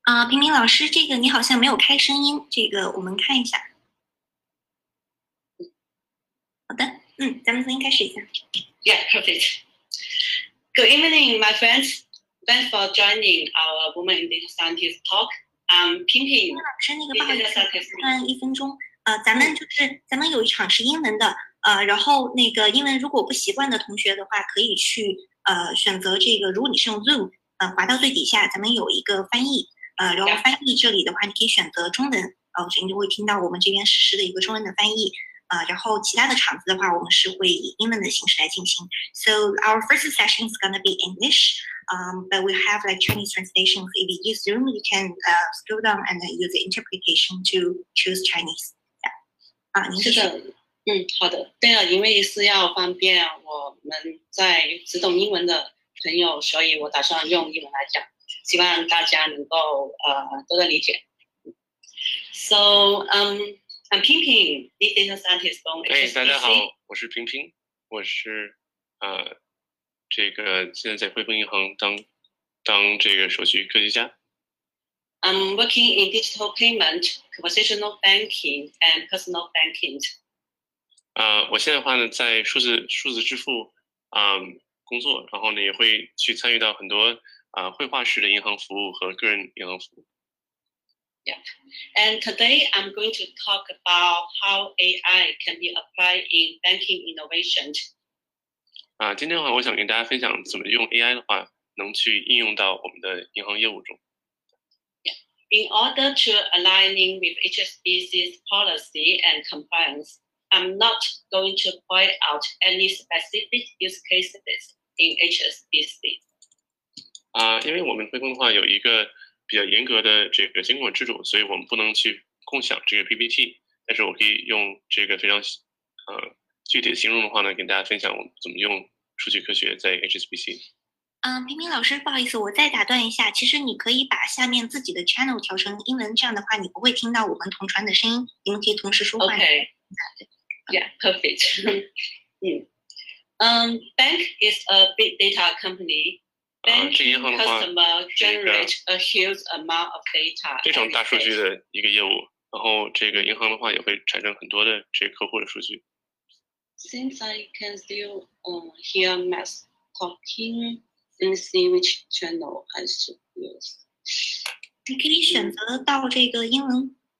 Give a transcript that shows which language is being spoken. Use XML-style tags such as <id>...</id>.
<zh>平平老师，这个你好像没有开声音，这个我们看一下。好的，咱们重新开始一下。</zh> <en>Yeah, perfect. Good evening, my friends. Thanks for joining our Women in Data Scientist talk. Ping Ping.</en> <zh>老师，那个不好意思，慢一分钟。咱们就是咱们有一场是英文的，然后那个英文如果不习惯的同学的话，可以去选择这个，如果你是用 Zoom， 滑到最底下，咱们有一个翻译。然后翻译这里的话，你可以选择中文，你就会听到我们这边实时的一个中文的翻译。然后其他的场子的话，我们是会以英文的形式来进行。</zh> <en>So our first session is gonna be English. But we have like Chinese translation. If you use Zoom, you can scroll down and then use the interpretation to choose Chinese. Yeah.</en> <zh>啊，您继续。好的。对了，因为是要方便我们在只懂英文的朋友，所以我打算用英文来讲，希望大家能够多多理解。</zh> <en>So, I'm Pingping, Big Data Scientist from HSBC.</en> <zh>大家好，我是平平，我是这个现在在汇丰银行当这个数据科学家。</zh> <en>I'm working in digital payment, conversational banking, and personal banking.</en> <zh>我现在的话呢，在数字支付工作，然后呢也会去参与到很多绘画式的银行服务和个人银行服务。</zh> <en>Yeah. And today I'm going to talk about how AI can be applied in banking innovation.</en> <zh>今天的话我想跟大家分享怎么用 AI 的话能去应用到我们的银行业务中。</zh> <en>Yeah. In order to aligning with HSBC's policy and compliance, I'm not going to point out any specific use cases in HSBC.</en> <zh>因为我们汇丰的话有一个比较严格的这个监管制度，所以我们不能去共享这个 PPT， 但是我可以用这个非常具体的形容的话呢跟大家分享我们怎么用数据科学在 HSBC。平平老师不好意思我再打断一下，其实你可以把下面自己的 channel 调成英文，这样的话你不会听到我们同传的声音，你们可以同时说话。</zh> <en>OK, yeah, perfect. Bank is a big data company. Banking customers generate a huge amount of data.</en> <zh>非常大数据的一个业务，然后这个银行的话也会产生很多的这客户的数据。</zh> <en>Since I can still hear Max talking, let me see which channel I should use.</en> <zh>你可以选择到这个英文。</zh>